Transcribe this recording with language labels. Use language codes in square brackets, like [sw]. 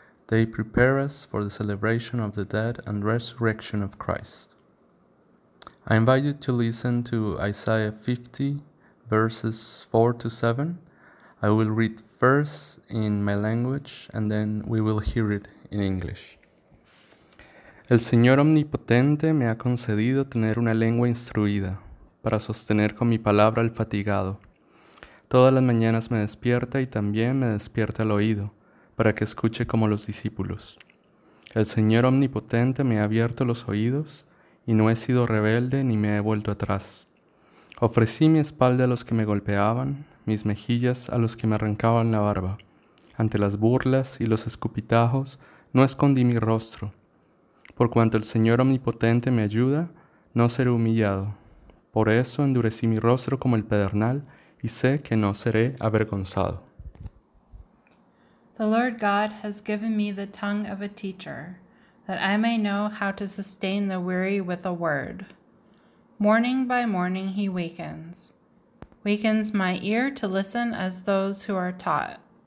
[en] They prepare us for the celebration of the death and resurrection of Christ. I invite you to listen to Isaiah 50, verses 4 to 7. I will read first in my language and then we will hear it in English. [es] El Señor Omnipotente me ha concedido tener una lengua instruida para sostener con mi palabra al fatigado. Todas las mañanas me despierta y también me despierta el oído para que escuche como los discípulos. El Señor Omnipotente me ha abierto los oídos y no he sido rebelde ni me he vuelto atrás. Ofrecí mi espalda a los que me golpeaban, mis mejillas a los que me arrancaban la barba. Ante las burlas y los escupitajos no escondí mi rostro. Por cuanto el Señor Omnipotente me ayuda, no seré humillado. Por eso endurecí mi rostro como el pedernal y sé que no seré avergonzado. [en] The Lord God has given me the tongue of a teacher, that I may know how to sustain the weary with a word. Morning by morning he weakens my ear to listen as those who are taught.